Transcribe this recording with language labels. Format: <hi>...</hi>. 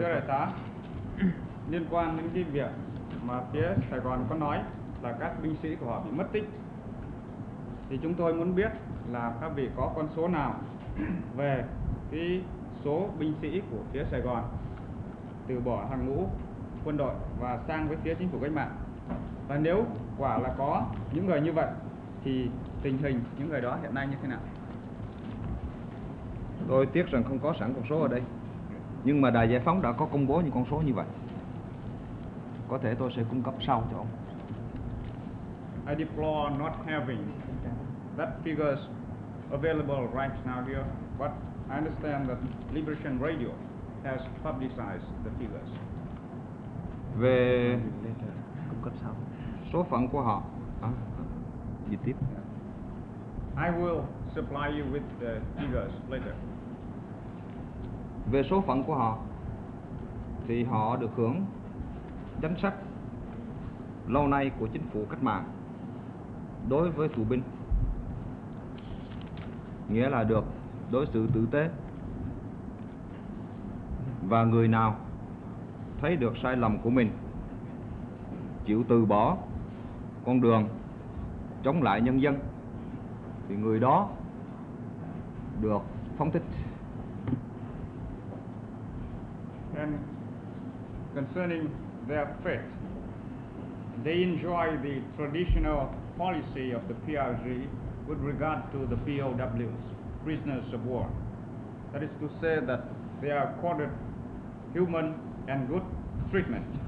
<vi>đại tá, liên quan đến cái việc mà phía Sài Gòn có nói là các binh sĩ của họ bị mất tích, thì chúng tôi muốn biết là các vị có con số nào về cái số binh sĩ của phía Sài Gòn từ bỏ hàng ngũ quân đội và sang với phía chính phủ cách mạng, và nếu quả là có những người như vậy thì tình hình những người đó hiện nay như thế nào? Tôi tiếc rằng không có sẵn con số ở đây, nhưng mà Đài Giải Phóng đã có công bố những con số như vậy. Có thể tôi sẽ cung cấp sau cho ông.</vi> <en>I deplore not having that figures available right now here, but I understand that Liberation Radio has publicized the figures.</en> <vi>Về cung cấp sau. Số phận của họ. Gì tiếp?</vi> <en>I will supply you with the figures later.</en> <vi>Về số phận của họ thì họ được hưởng chính sách lâu nay của chính phủ cách mạng đối với tù binh, nghĩa là được đối xử tử tế, và người nào thấy được sai lầm của mình, chịu từ bỏ con đường chống lại nhân dân, thì người đó được phóng thích.</vi> <en>And concerning their fate, they enjoy the traditional policy of the PRG with regard to the POWs, prisoners of war. That is to say that they are accorded human and good treatment.</en>